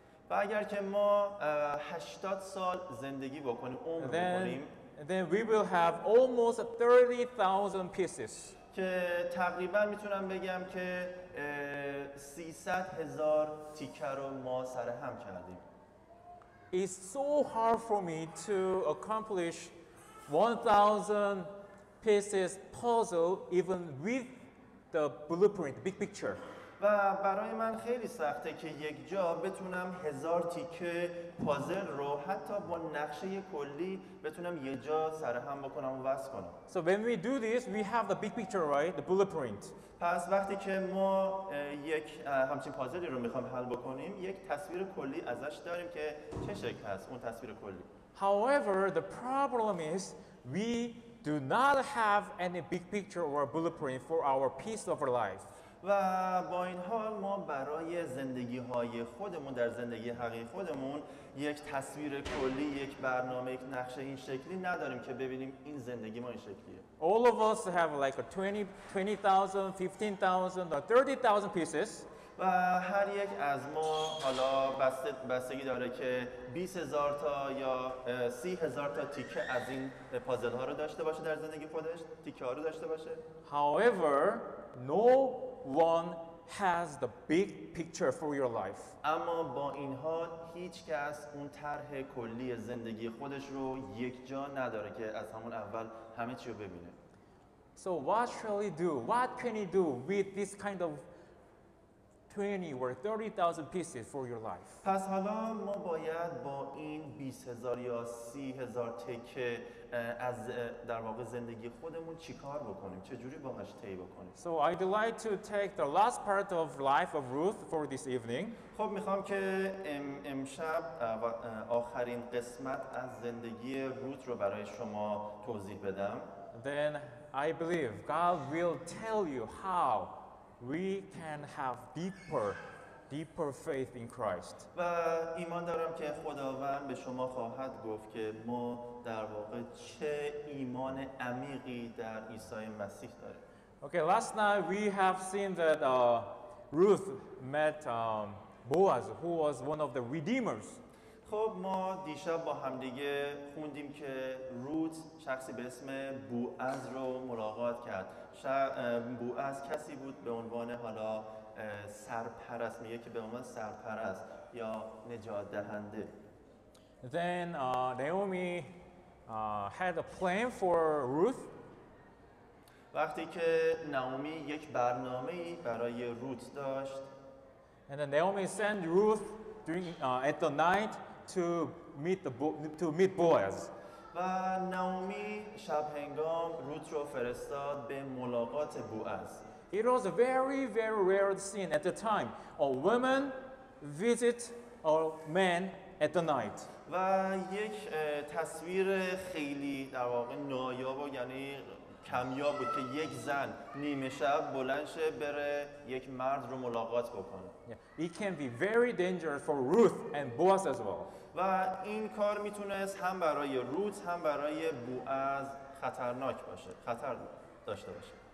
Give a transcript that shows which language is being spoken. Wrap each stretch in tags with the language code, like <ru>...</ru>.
<fa>و اگر که ما 80 سال زندگی بکنیم عمر بکنیم,</fa> <en>then we will have almost 30,000 pieces.</en> <fa>که تقریبا میتونم بگم که 300,000 تیکه رو ما سر هم کردیم.</fa> <en>It's so hard for me to accomplish 1,000 pieces puzzle even with the blueprint, big picture.</en> <fa>و برای من خیلی سخته که یک جا بتونم 1000 تیکه پازل رو حتی با نقشه کلی بتونم یه جا سر هم بکنم و وصل کنم.</fa> <en>So when we do this, we have the big picture, right? The blueprint.</en> <fa>پس وقتی که ما یک همچین پازلی رو میخوام حل بکنیم, یک تصویر کلی ازش داریم که چه شکل هست اون تصویر کلی.</fa> <en>However, the problem is we do not have any big picture or blueprint for our piece of our life.</en> <fa>و با این حال ما برای زندگی های خودمون در زندگی حقیقی خودمون یک تصویر کلی, یک برنامه, یک نقشه این شکلی نداریم که ببینیم این زندگی ما این شکلیه.</fa> <en>All of us have like a 20,000, 15,000 or 30,000 pieces.</en> <fa>و هر یک از ما حالا بستگی داره که 20,000 تا یا 30,000 تا تیکه از این پازل ها رو داشته باشه در زندگی خودش, تیکه ها رو داشته باشه.</fa> <en>However, no one has the big picture for your life.</en> <fa>اما با این حال هیچ کس اون طرح کلی زندگی خودش رو یک جا نداره که از همون اول همه چی رو ببینه.</fa> <en>So what shall you do? What can you do with this kind of 20 or 30,000 pieces for your life?</en> <fa>پس حالا ما باید با این 20,000 یا 30,000 تکه از در واقع زندگی خودمون چیکار بکنیم؟ چه جوری باهاش طی بکنیم؟</fa> <en>So I'd like to take the last part of life of Ruth for this evening.</en> <fa>خب میخوام که امشب آخرین قسمت از زندگی روت رو برای شما توضیح بدم.</fa> <en>Then I believe God will tell you how we can have deeper faith in Christ.</en> <fa>و ایمان دارم که خداوند به شما خواهد گفت که ما در واقع چه ایمان عمیقی در عیسی مسیح داریم.</fa> <en>Okay, last night we have seen that Ruth met Boaz, who was one of the redeemers.</en> <fa>خب ما دیشب با همدیگه خوندیم که روت شخصی به اسم بوعز رو ملاقات کرد. بوعز کسی بود به عنوان حالا سرپرست, میگه که به عنوان سرپرست یا نجات دهنده.</fa> <en>Then Naomi had a plan for Ruth.</en> <fa>وقتی که نائومی یک برنامه‌ای برای روت داشت.</fa> <en>And then Naomi sent Ruth at the night to meet Boaz.</en> <fa>و نائومی شب هنگام روت رو فرستاد به ملاقات بوعز.</fa> <en>It was a very very rare scene at the time. A woman visit a man at the night.</en> <fa>و یک تصویر خیلی در واقع نایاب و یعنی کمیاب بود که یک زن نیمه شب بلند شه بره یک مرد رو ملاقات بکنه.</fa> <en>Yeah. It can be very dangerous for Ruth and Boaz as well.</en> <fa>و این کار میتونست هم برای روت هم برای بوعز خطرناک باشه, خطر داشته باشه.</fa>